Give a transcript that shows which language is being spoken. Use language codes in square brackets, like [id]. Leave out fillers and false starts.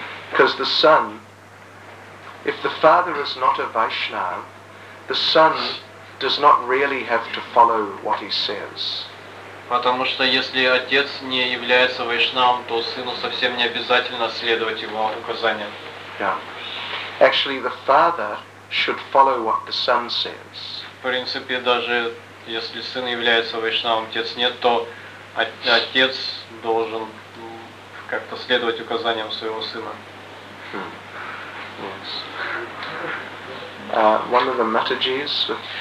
[en] Because the son, if the father is not a Vaishnava, the son does not really have to follow what he says. [ru] Потому что если отец не является вайшнавом, то сыну совсем не обязательно следовать его указаниям. [en] Yeah. Actually, the father should follow what the son says. [ru] В принципе, даже если сын является вайшнавом, отец нет, то отец должен как-то следовать указаниям своего сына. [en] One of the Matajis.